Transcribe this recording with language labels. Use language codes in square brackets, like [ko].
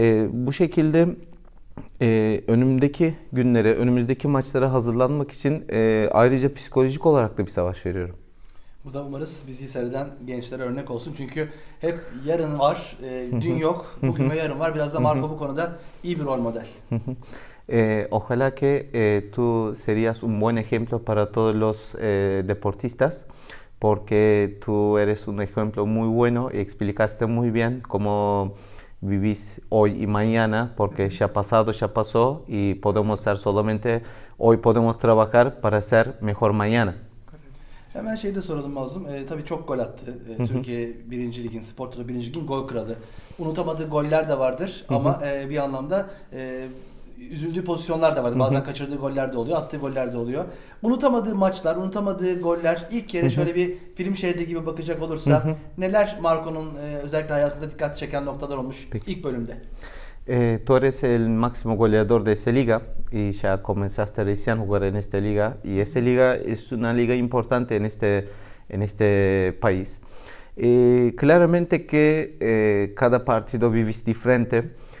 [tr] Bu şekilde önümdeki günlere, önümüzdeki maçlara hazırlanmak için ayrıca psikolojik olarak da bir savaş veriyorum. Bu da umarız bizi seyreden gençlere örnek olsun. Çünkü hep yarın var, dün yok, bugün ve yarın var. Biraz da Marco bu konuda iyi bir rol model. [es] Ojalá que tú serías un buen ejemplo para todos los deportistas, porque tú eres un ejemplo muy bueno y explicaste muy bien cómo vivís hoy y mañana, porque ya pasado ya pasó y podemos ser solamente hoy podemos trabajar para ser mejor mañana. [tr] Hemen şeyi de soralım Mazlum. Tabii çok gol attı. Türkiye 1. Lig'in, Sport Toto 1. Lig'in gol kralı. Unutamadığı goller de vardır ama bir anlamda üzüldüğü pozisyonlar da vardı. Bazen kaçırdığı goller de oluyor, attığı goller de oluyor. Unutamadığı maçlar, unutamadığı goller, ilk kere şöyle bir film şeridi gibi bakacak olursa neler Marco'nun özellikle hayatında dikkat çeken noktalar olmuş Peki. ilk bölümde? [es] Tú eres el máximo goleador de esta liga y ya comenzaste recién a jugar en esta liga y esta liga es una liga importante en este país. Claramente que cada partido vives diferente.